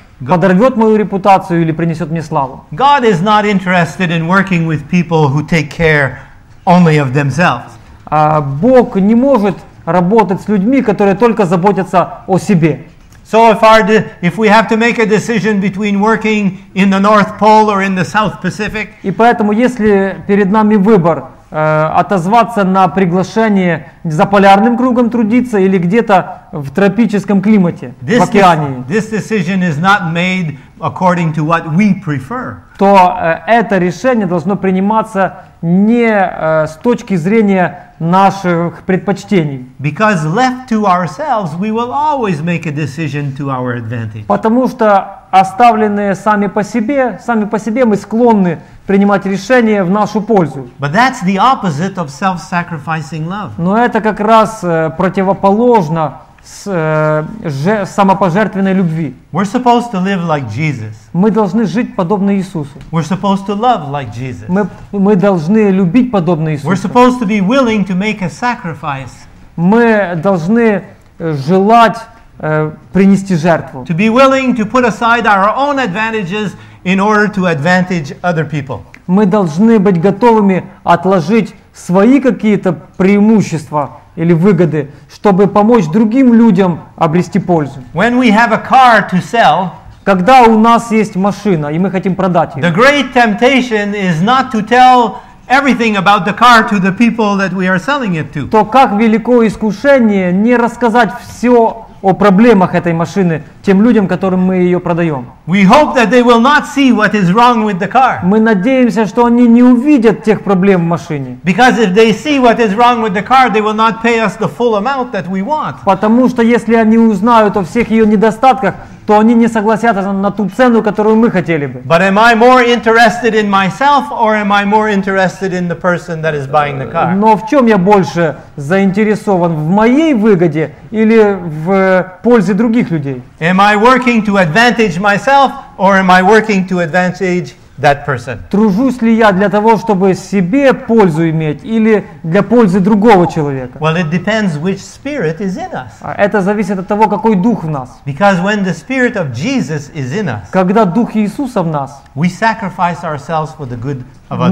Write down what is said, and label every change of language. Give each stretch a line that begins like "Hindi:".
Russian: Подорвет мою репутацию или принесет мне славу.
English: God is not interested in working with people who take care only of themselves.
Russian: Бог не может работать с людьми, которые только заботятся о себе.
English: So if we have to make a decision between working in the North Pole or in the South Pacific.
Russian: И поэтому, если перед нами выбор, отозваться на приглашение за полярным кругом трудиться или где-то в тропическом климате, в океане.
English: This decision is not made according to what we prefer.
Russian: То это решение должно приниматься не с точки зрения наших предпочтений.
English: Because left to ourselves, we will always make a decision to our advantage.
Russian: Потому что оставленные сами по себе мы склонны принимать решения в нашу пользу.
English: But that's the opposite of self-sacrificing love.
Russian: Но это как раз противоположно самопожертвенной любви.
English: We're supposed to live like Jesus.
Russian: Мы должны жить подобно Иисусу.
English: We're supposed to love like Jesus.
Russian: Мы должны любить подобно Иисусу.
English: We're supposed to be willing to make a sacrifice.
Russian: Мы должны желать принести жертву.
English: To be willing to put aside our own advantages in order to advantage other people.
Russian: Мы должны быть готовыми отложить свои какие-то преимущества или выгоды, чтобы помочь другим людям обрести пользу.
English: When we have a car to sell,
Russian: когда у нас есть машина, и мы хотим продать ее,
English: the great temptation is not to tell everything about the car to the people that we are selling it to.
Russian: То как велико искушение не рассказать все о проблемах этой машины тем людям, которым мы ее продаем.
English: We hope that they will not see what is wrong with the car.
Russian: Мы надеемся, что они не увидят тех проблем в машине.
English: Because if they see what is wrong with the car, they will not pay us the full amount that we want.
Russian: Потому что если они узнают о всех ее недостатках, то они не согласятся на ту цену, которую мы хотели бы.
English: But am I more interested in myself or am I more interested in the person that is buying the car?
Russian: Но в чем я больше заинтересован, в моей выгоде или в пользе других людей?
English: Am I working to advantage myself or am I working to advantage that person?
Russian: Тружусь ли я для того, чтобы себе пользу иметь или для пользы другого человека?
English: Well, it depends which spirit is in us.
Russian: Это зависит от того, какой дух в нас.
English: Because when the spirit of Jesus is in us,
Russian: когда дух Иисуса в нас,
English: we sacrifice ourselves for the good of others.